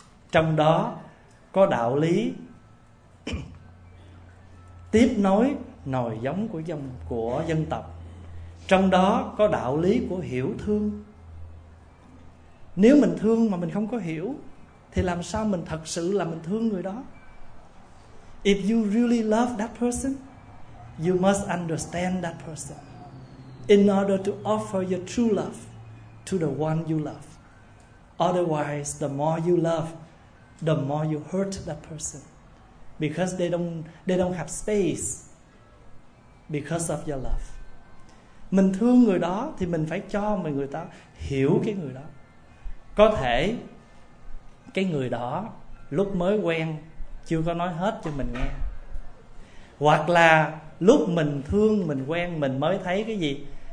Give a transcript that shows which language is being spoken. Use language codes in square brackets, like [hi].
[vi] Trong đó có đạo lý tiếp nối nòi giống của dân tộc. Trong đó có đạo lý của hiểu thương. Nếu mình thương mà mình không có hiểu thì làm sao mình thật sự là mình thương người đó? [en] If you really love that person, you must understand that person in order to offer your true love to the one you love. Otherwise, the more you love, the more you hurt that person, because they don't have space because of your love. [vi] Mình thương người đó thì mình phải cho người ta hiểu cái người đó. Có thể cái người đó lúc mới quen chưa có nói hết cho mình nghe, hoặc là lúc mình thương, mình quen, mình mới thấy cái gì?